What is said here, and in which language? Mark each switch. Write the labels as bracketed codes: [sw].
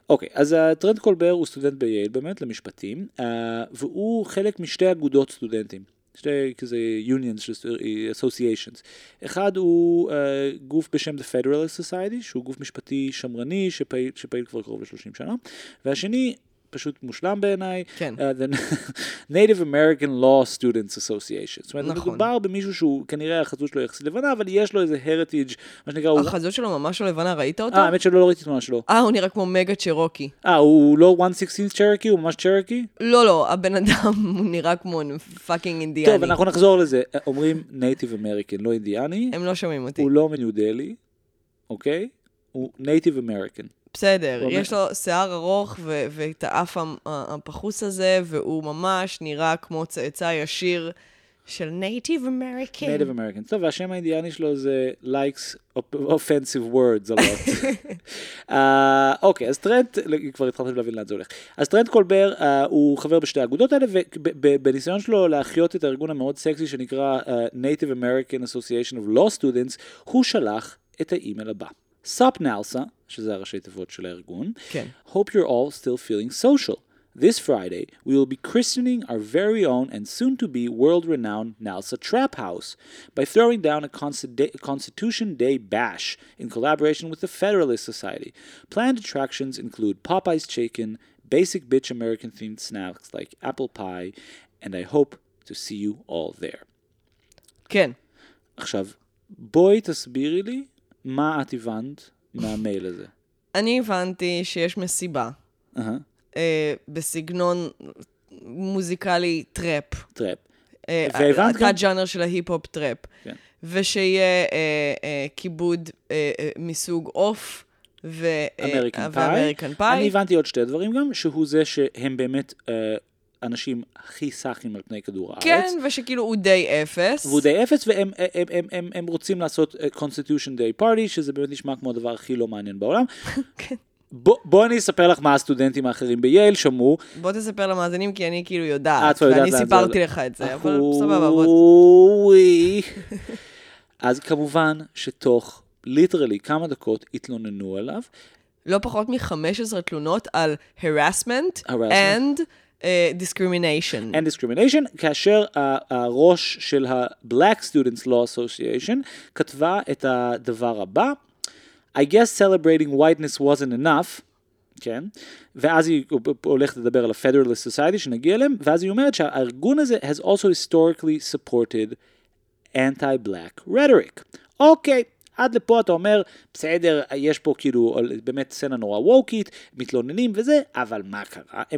[he] אוקיי, אז טרנד קולבר הוא סטודנט בייל, באמת, למשפטים, והוא חלק משתי אגודות סטודנטים, שתי כזה [en] unions, associations. [he] אחד הוא גוף בשם The Federalist Society, שהוא גוף משפטי שמרני, שפעיל כבר קרוב ל-30 שנה, והשני, פשוט מושלם בעיניי, כן. [en] The Native American Law Students Association. [he] זאת אומרת, נכון. מדובר במישהו שהוא כנראה החזות שלו יחסי לבנה, אבל יש לו איזה heritage, מה שנקרא... החזות שלו ממש לבנה, ראית אותו? האמת שלא ראיתי תמונה שלו. הוא נראה כמו מגה צ'רוקי. הוא לא 1/16 צ'רוקי? הוא ממש צ'רוקי? לא, הבן אדם הוא נראה כמו פאקינג אינדיאני. טוב, אנחנו נחזור לזה. אומרים Native American, לא אינדיאני. הם לא שומעים אותי. הוא לא מניו דלי, אוקיי? הוא Native American. בסדר, יש לו שיער ארוך ואת האף הפחוס הזה, והוא ממש נראה כמו צאצא ישיר של Native American. [en] Native American. [he] טוב, והשם האינדיאני שלו זה [en] likes offensive words a lot. [he] אוקיי, אז טרנט, כבר התחלתי להבין לאן זה הולך. אז טרנט קולבר הוא חבר בשתי האגודות האלה, ובניסיון שלו להחיות את הארגון המאוד סקסי שנקרא Native American Association of Law Students, הוא שלח את האימייל הבא. [en] Sup Nalsa, [he] שזה הראשי תיבות של הארגון. כן. [en] Hope you're all still feeling social. This Friday, we will be christening our very own and soon to be world-renowned Nalsa Trap House by throwing down a Constitution Day bash in collaboration with the Federalist Society. Planned attractions include Popeye's Chicken, basic bitch American-themed snacks like apple pie, and I hope to see you all there. [he] כן. עכשיו, בואי תסבירי לי מה את הבנת מהמייל הזה? אני הבנתי שיש מסיבה. בסגנון מוזיקלי טראפ. טראפ. והבנת גם? הג'אנר של ההיפ-הופ טראפ. כן. ושיהיה כיבוד מסוג אוף ואמריקן פאי. אני הבנתי עוד שתי דברים גם, שהוא זה שהם באמת... אנשים הכי סחים על פני כדור הארץ. כן, ושכאילו הוא די אפס. והוא די אפס, והם הם, הם, הם, הם רוצים לעשות Constitution Day Party, שזה באמת נשמע כמו הדבר הכי לא מעניין בעולם. כן. בוא אני אספר לך מה הסטודנטים האחרים בייל שמעו. בוא תספר למאזינים, כי אני כאילו יודעת. את לא יודעת. ואני סיפרתי לך את זה, אבל סבבה, בואי. אז כמובן שתוך ליטרלי כמה דקות התלוננו עליו. לא פחות מ-15 תלונות על harassment. [en] And... discrimination. And discrimination, [he] כאשר הראש של ה-Black Students Law Association כתבה את הדבר הבא, [en] I guess celebrating whiteness wasn't enough, [he] כן? ואז היא הולכת לדבר על ה-Federalist Society שנגיע להם, ואז היא אומרת שהארגון הזה [en] has also historically supported anti-black rhetoric. [he] אוקיי. עד לפה אתה אומר, בסדר, יש פה כאילו, באמת סצנה נורא ווקית, מתלוננים וזה, אבל מה קרה?